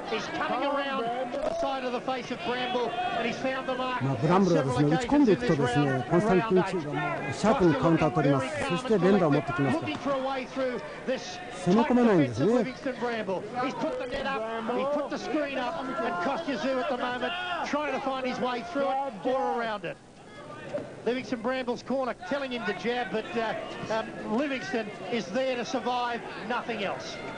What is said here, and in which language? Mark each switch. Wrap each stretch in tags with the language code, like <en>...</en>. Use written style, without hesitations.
<en>He's coming around to the side of the face of Bramble, and he's found the mark.</en> <ja>ブランブルはですね、打ち込んでいくとですね、コンスタンティン・チューがシャープにカウンターを取ります。そして連打を持ってきました。</ja> <en>Looking for a way through this tight defense of Livingston Bramble. He's put the net up. He put the screen up, and Kostya Zoo at the moment trying to find his way through it or around it. Livingston Bramble's corner telling him to jab, but Livingston is there to survive, nothing else.</en>